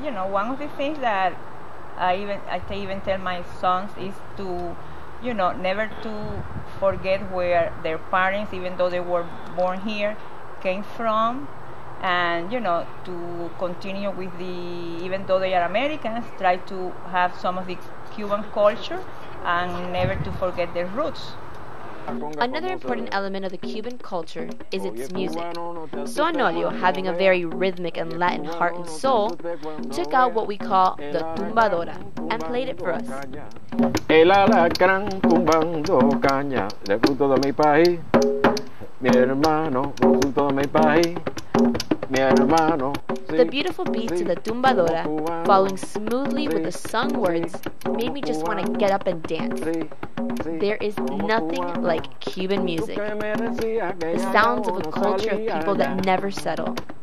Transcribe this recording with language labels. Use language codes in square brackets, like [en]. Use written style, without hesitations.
[en] One of the things that I even tell my sons is to, you know, never to forget where their parents, even though they were born here, came from, and, you know, to continue with the, even though they are Americans, try to have some of the Cuban culture and never to forget their roots. Another important element of the Cuban culture is its music. So Anolio, having a very rhythmic and Latin heart and soul, took out what we call the tumbadora and played it for us. [es] El alacrán tumbando caña, del fruto de mi país. Mi hermano, fruto de mi país. Mi hermano. [en] The beautiful beat to the tumbadora, following smoothly with the sung words, made me just want to get up and dance. There is nothing like Cuban music. The sounds of a culture of people that never settle.